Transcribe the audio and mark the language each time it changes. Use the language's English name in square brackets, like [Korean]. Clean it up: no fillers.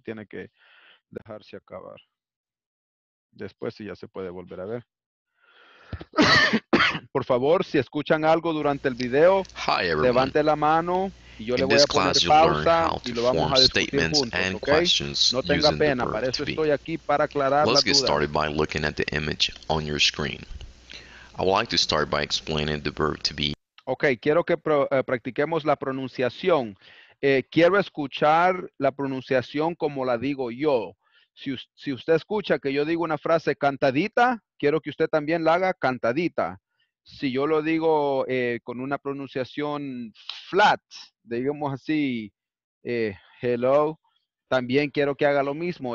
[Spanish] Tiene que dejarse acabar. Después sí ya se puede volver a ver. Por favor, si escuchan algo durante el video, levante la mano y yo le voy a poner pausa y lo vamos a discutir juntos, ¿ok? No tenga pena, para eso estoy aquí, para aclarar las dudas. [English] Let's get started by looking at the image on your screen. I would like to start by explaining the verb to be. [Spanish] Ok, quiero que practiquemos la pronunciación. Quiero escuchar la pronunciación como la digo yo. Si usted escucha que yo digo una frase cantadita, quiero que usted también la haga cantadita. Si yo lo digo con una pronunciación flat, digamos así, hello, también quiero que haga lo mismo.